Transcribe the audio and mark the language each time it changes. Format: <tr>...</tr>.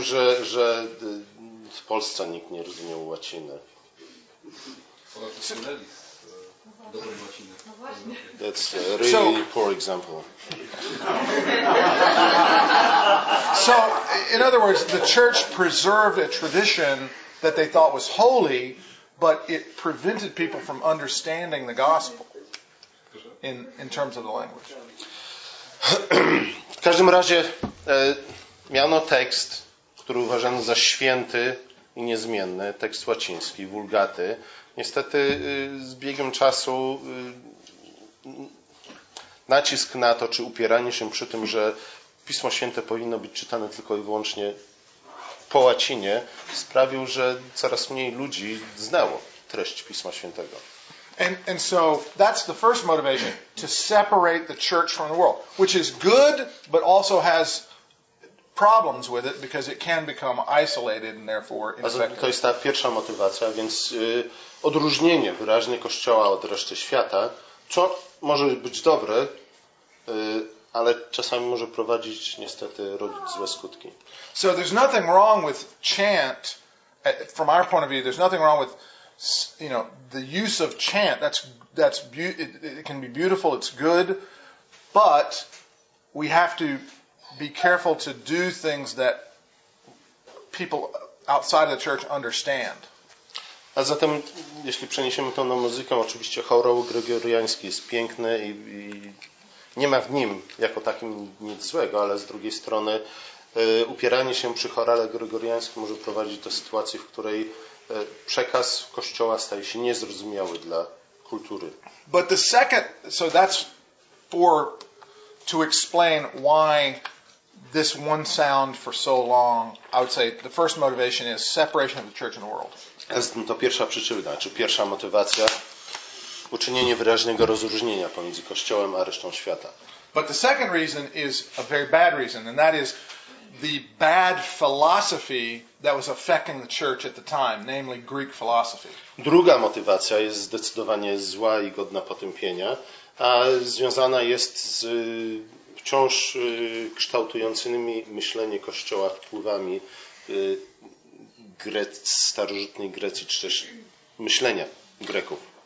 <pl>że w Polsce nikt nie rozumiał łaciny.</pl> <en>That's a really poor example. So, in other words, the church preserved a tradition that they thought was holy, but it prevented people from understanding the gospel in terms of the language.</en> <pl>W każdym razie miano tekst, który uważano za święty i niezmienny, tekst łaciński, Wulgaty. Niestety z biegiem czasu nacisk na to, czy upieranie się przy tym, że Pismo Święte powinno być czytane tylko i wyłącznie po łacinie, sprawił, że coraz mniej ludzi znało treść Pisma Świętego.</pl> <en>And so that's the first motivation, to separate the church from the world, which is good, but also has problems with it because it can become isolated and therefore ineffective.</en> <pl>To jest ta pierwsza motywacja, więc odróżnienie wyraźnie Kościoła od reszty świata, co może być dobre, ale czasami może prowadzić, niestety, rodzić złe skutki.</pl> <en>So there's nothing wrong with chant, from our point of view, there's nothing wrong with, you know, the use of chant. It can be beautiful, it's good, but we have to be careful to do things that people outside of the church understand.</en> <pl>A zatem, jeśli przeniesiemy to na muzykę, oczywiście chorał gregoriański jest piękny i nie ma w nim jako takim nic złego, ale z drugiej strony upieranie się przy chorale gregoriańskim może prowadzić do sytuacji, w której przekaz Kościoła staje się niezrozumiały dla kultury.</pl> <en>But the second, so that's for to explain why this one sound for so long, I would say the first motivation is separation of the church and the world.</en> <pl>To pierwsza przyczyna, czy pierwsza motywacja, uczynienie wyraźnego rozróżnienia pomiędzy Kościołem a resztą świata.</pl> <en>But the second reason is a very bad reason, and that is the bad philosophy that was affecting the church at the time, namely Greek philosophy.</en> <pl>Druga motywacja jest zdecydowanie zła i godna potępienia, a związana jest z wciąż kształtującymi myślenie Kościoła wpływami starożytnej Grecji, czy też myślenia Greków.</pl>